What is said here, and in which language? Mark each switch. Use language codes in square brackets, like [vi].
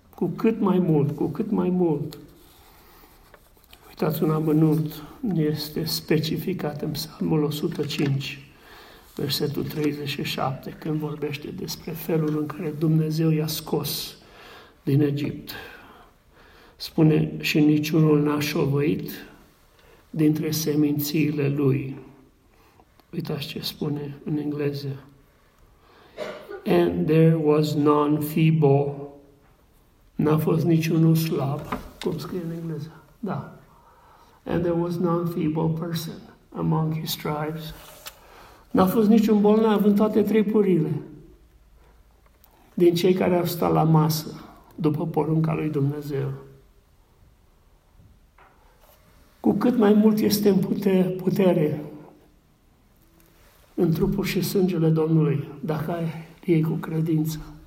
[ro] Cu cât mai mult, cu cât mai mult. Uitați, un amănunt este specificat în Psalmul 105, versetul 37, când vorbește despre felul în care Dumnezeu i-a scos din Egipt. Spune, și niciunul n-a șovăit dintre semințiile lui. Uitați ce spune în engleză. [en] And there was none feeble. [ro] N-a fost niciunul slab. Cum scrie în engleză? Da. [en] And there was none feeble person among his tribes. [ro] N-a fost niciun bolnav în toate tripurile. Din cei care au stat la masă după porunca lui Dumnezeu. Cu cât mai mult este în putere în trupul și sângele Domnului, dacă ai cu credință.